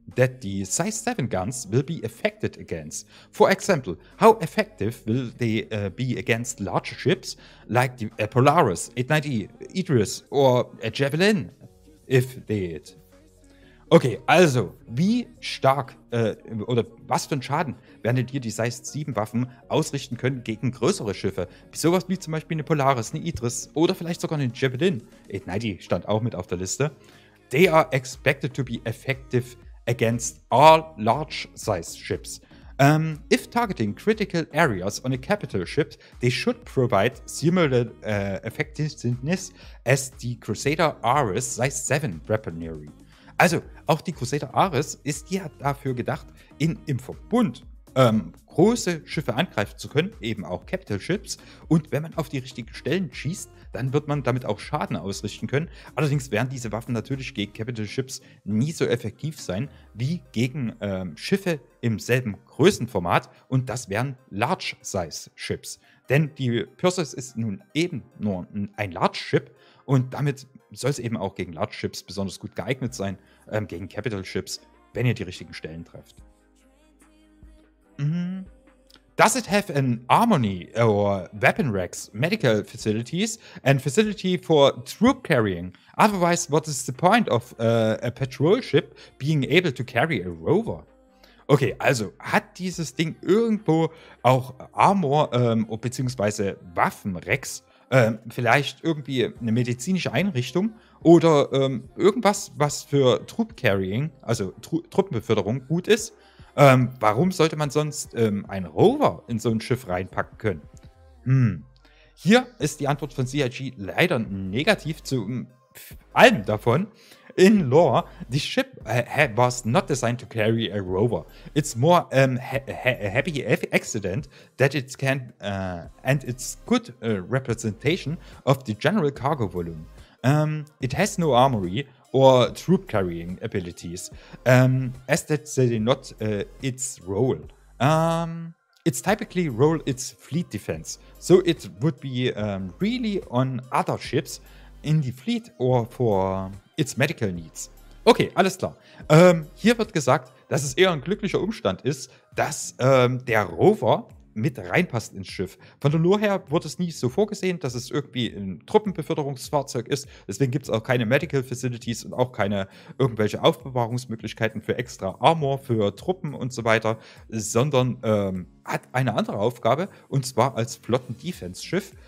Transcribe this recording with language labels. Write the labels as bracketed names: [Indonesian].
[English] that the size 7 guns will be affected against. For example, how effective will they be against larger ships like the Polaris, 890 Idris or a Javelin, if they hit? [German] Okay, also, wie stark oder was für einen Schaden werden dir die Size 7 Waffen ausrichten können gegen größere Schiffe? Sowas wie zum Beispiel eine Polaris, eine Idris oder vielleicht sogar eine Javelin. 890 stand auch mit auf der Liste. [English] They are expected to be effective against all large size ships. If targeting critical areas on a capital ship, they should provide similar effectiveness as the Crusader Ares size 7 weaponry. [German] Also, auch die Crusader Ares ist ja dafür gedacht, im Verbund große Schiffe angreifen zu können, eben auch Capital Ships. Und wenn man auf die richtigen Stellen schießt, dann wird man damit auch Schaden ausrichten können. Allerdings werden diese Waffen natürlich gegen Capital Ships nie so effektiv sein wie gegen Schiffe im selben Größenformat. Und das wären Large Size Ships. Denn die Perseus ist nun eben nur ein Large Ship und damit soll es eben auch gegen Large Ships besonders gut geeignet sein, gegen Capital Ships, wenn ihr die richtigen Stellen trefft. [English] Mm-hmm. Does it have an armory or weapon racks, medical facilities and facility for troop carrying? Otherwise, what is the point of a patrol ship being able to carry a rover? [German] Okay, also hat dieses Ding irgendwo auch Armor bzw. Waffenracks? Vielleicht irgendwie eine medizinische Einrichtung oder irgendwas, was für Troop Carrying, also Truppenbeförderung, gut ist. Warum sollte man sonst einen Rover in so ein Schiff reinpacken können? Hier ist die Antwort von CIG leider negativ zu allem davon. [English] In lore, the ship was not designed to carry a rover. It's more happy accident that it can and it's good representation of the general cargo volume. It has no armory or troop carrying abilities, as that's not its role. It's typically role its fleet defense, so it would be really on other ships in the fleet or for its medical needs. [German] Okay, alles klar. Hier wird gesagt, dass es eher ein glücklicher Umstand ist, dass der Rover mit reinpasst ins Schiff. Von der Lore her wurde es nie so vorgesehen, dass es irgendwie ein Truppenbeförderungsfahrzeug ist. Deswegen gibt es auch keine Medical Facilities und auch keine irgendwelche Aufbewahrungsmöglichkeiten für extra Armor, für Truppen und so weiter, sondern hat eine andere Aufgabe und zwar als Flotten-Defense-Schiff.